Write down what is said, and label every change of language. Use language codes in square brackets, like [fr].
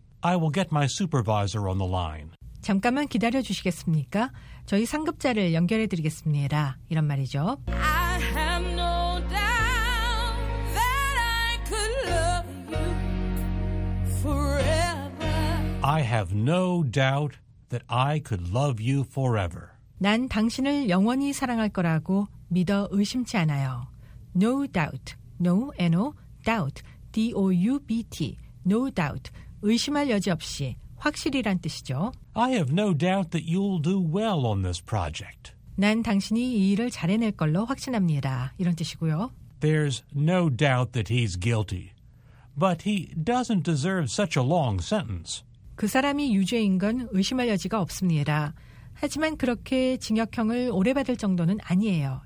[en] I will get my supervisor on the line. [ko] 잠깐만 기다려 주시겠습니까? 저희 상급자를 연결해 드리겠습니다. 이런 말이죠. [en] I have no doubt that I could love you forever. I have no doubt that I could love you forever. [ko] 난 당신을 영원히 사랑할 거라고 믿어 의심치 않아요. [en] No doubt. No, N-O, doubt. D-O-U-B-T. No doubt. [ko] 의심할 여지 없이. 확실이란 뜻이죠. [en] I have no doubt that you'll do well on this project. [ko] 난 당신이 이 일을 잘해낼 걸로 확신합니다. 이런 뜻이고요. [en] There's no doubt that he's guilty. But he doesn't deserve such a long sentence. [ko] 그 사람이 유죄인 건 의심할 여지가 없습니다. 하지만 그렇게 징역형을 오래 받을 정도는 아니에요.